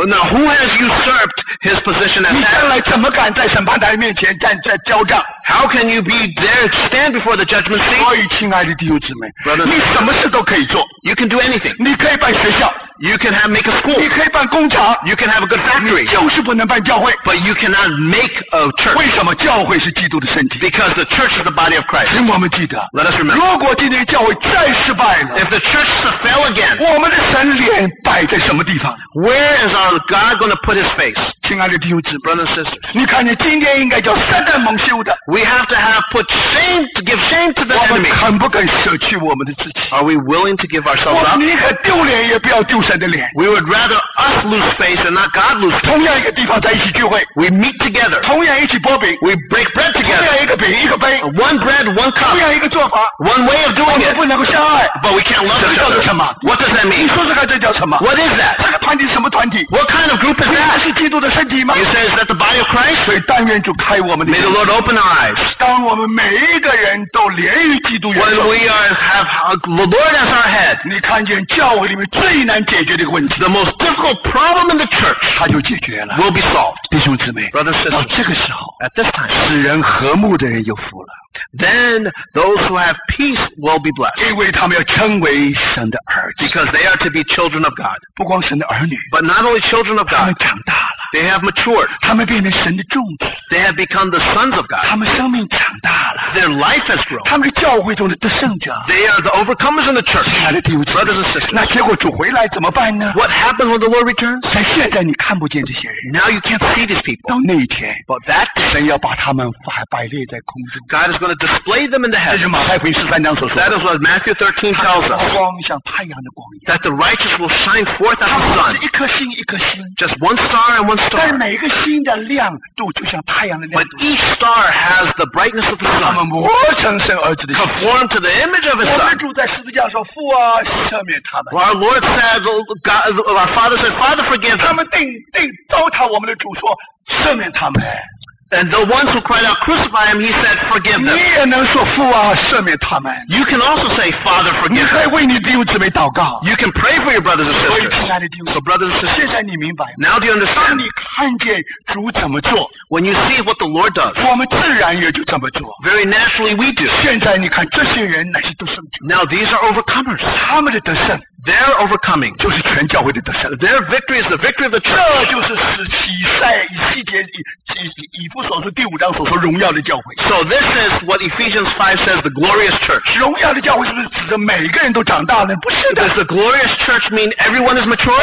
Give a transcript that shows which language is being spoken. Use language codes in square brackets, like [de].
[en] Now, who has usurped his position as head? [zh] 你将来怎么敢在审判台面前站在交账？ [en] How can you be there, stand before the judgment seat? [zh] 所以，亲爱的弟兄姊妹， [en] Brothers, [zh] 你什么事都可以做。 [en] You can do anything. [zh] 你可以办学校。 [en] You can have, make a school. [zh] 你可以办工厂。 [en] You can have a good factory. [zh] 你就是不能办教会。 [en] But you cannot make a church. [zh] 为什么教会是基督的身体？ [en] Because the church is the body of Christ. [zh] 请我们记得。 [en] Let us remember. [zh] 如果今天教会再失败了。 [en] If the church fail again. [zh] 我们的神脸摆在什么地方？ [en] Where is our God going to put his face? [zh] 亲爱的弟兄姊妹， [en] Brothers and sisters. [zh] 你看你今天应该叫三战猛修的。 [en] We have to have put shame, to give shame to the enemy. [zh] 我们肯不肯舍弃我们的自己？ [en] Are we willing to give ourselves up? [zh] 我宁可丢脸也不要丢。 [en] We would rather us lose face and not God lose face. [zh] 同样一个地方在一起聚会。 [en] We meet together. [zh] 同样一起擘饼。 [en] We break bread together. [zh] 同样一个饼一个杯。 [en] One bread, one cup. [zh] 同样一个做法。 [en] One way of doing it. [zh] 我们不能够相爱。 [en] But we can't love each other. What does that mean? [zh] 你说说看这叫什么？ [en] What is that? [zh] 这个团体什么团体？ [en] What kind of group is that? [zh] 你是基督的身体吗？ [en] You say, is that the body of Christ? [zh] 所以但愿主开我们的眼。 [en] May the Lord open our eyes. [zh] 当我们每一个人都连于基督元首。 [en] When we are, have the Lord as our head. [zh] 你看见教会里面最难解决的问题， [en] the most difficult problem in the church, [zh] 它就解决了， [en] will be solved. [zh] 弟兄姊妹， [en] Brothers, sisters, [zh] 到这个时候， [en] at this time, [zh] 使人和睦的人有福了。 [en] Then those who have peace will be blessed. [zh] 因为他们要称为神的儿子。 [en] Because they are to be children of God. [zh] 不光神的儿女。 [en] But not only children of God. [zh] 他们长大了。 [en] They have matured. [zh] 他们变成神的种子。 [en] They have become the sons of God. [zh] 他们生命长大了。 [en] Their life has grown. [zh] 他们是教会中的得胜者。 [en] They are the overcomers in the church. [zh] 亲爱的弟兄姊妹。 [en] Brothers and sisters. [zh] 那结果主回来怎么办呢？ [en] What happens when the Lord returns? [zh] 但现在你看不见这些人。 [en] Now you can't see these people. [zh] 到那一天。 [en] But that day, [zh] 神要把他们摆列在空中。 [en] God is going to display them in the heaven. That is what Matthew 13 tells us. That the righteous will shine forth as the sun. [zh] 一颗星一颗星 [en] Just one star and one star. [zh] 但每个星的亮度就像太阳的亮度 [en] But each star has the brightness of the sun. [zh] 他们磨成神儿子的 [en] Conform to the image of his son. [zh] 我们主在十字架说父啊赦免他们 [en] Our Lord said, God, our Father said, Father forgive them. [zh] 他们定糟蹋我们的主说赦免他们 [en] And the ones who cried out, crucify him, he said, forgive them. [zh] 你也能说父啊，赦免他们。 [en] You can also say, Father, forgive them. [zh] 你可以为你弟兄姊妹祷告。 [en] You can pray for your brothers and sisters. [zh] 所以亲爱的弟兄姊妹。 [en] So brothers and sisters. [zh] 现在你明白吗？ [en] Now do you understand? [zh] 当你看见主怎么做。 [en] When you see what the Lord does. [zh] 我们自然也就这么做。 [en] Very naturally we do. [zh] 现在你看这些人乃是得胜者。 [en] Now these are overcomers. [zh] 他们的得胜。 [en] Their overcoming [zh] 就是全教会的得胜。 [en] Their victory is the victory of the church. [zh] 这就是使徒在以西结以弗所书第五章所说荣耀的教会。 [en] So this is what Ephesians 5 says, the glorious church. [zh] 荣耀的教会是不是指着每个人都长大了？不是的。 [en] Does the glorious church mean everyone is mature?